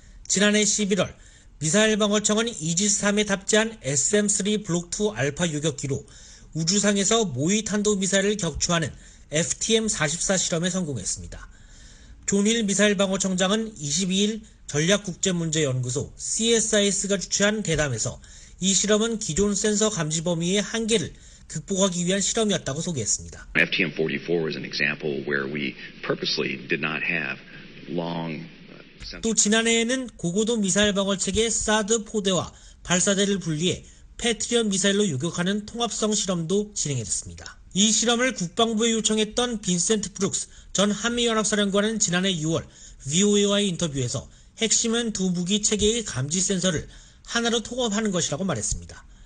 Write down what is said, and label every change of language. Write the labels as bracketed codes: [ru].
[ko] 지난해 11월 미사일 방어청은 이지스함에 탑재한 SM-3 블록2 알파 요격기로 우주상에서 모의 탄도미사일을 격추하는 FTM-44 실험에 성공했습니다. 존 힐 미사일 방어청장은 22일 전략국제문제연구소 CSIS가 주최한 대담에서 이 실험은 기존 센서 감지 범위의 한계를 극복하기 위한 실험이었다고 소개했습니다. [en] FTM-44 is an example where we purposely did not have long. [ko] 또 지난해에는 고고도 미사일 방어체계 사드 포대와 발사대를 분리해 패트리엄 미사일로 요격하는 통합성 실험도 진행했습니다. 이 실험을 국방부에 요청했던 빈센트 브룩스 전 한미연합사령관은 지난해 6월 VOA와의 인터뷰에서 핵심은 두 무기 체계의 감지 센서를 하나로 통합하는 것이라고 말했습니다.